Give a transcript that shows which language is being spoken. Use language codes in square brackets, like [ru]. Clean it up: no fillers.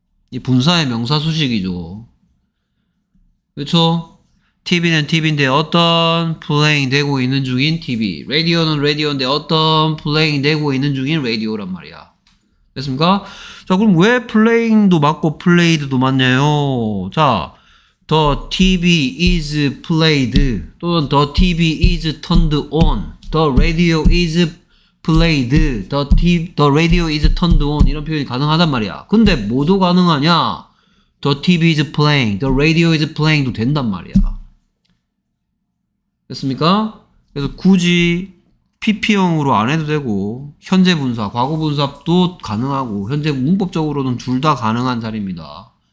[ko] 이 분사의 명사 수식이죠. 그렇죠? TV는 TV인데 어떤 플레잉 되고 있는 중인 TV. 라디오는 라디오인데 어떤 플레잉 되고 있는 중인 라디오란 말이야. 됐습니까? 자, 그럼 왜 플레잉도 맞고 플레이드도 맞냐요? [en] 자, the TV is played [ko] 또는 [en] the TV is turned on. The radio is played. The radio is turned on. [ko] 이런 표현이 가능하단 말이야. 근데 뭐도 가능하냐? [en] The TV is playing. The radio is playing도 [ko] 된단 말이야. 됐습니까? 그래서 굳이 PP형으로 안 해도 되고 현재 분사, 과거 분사도 가능하고 현재 문법적으로는 둘 다 가능한 자리입니다.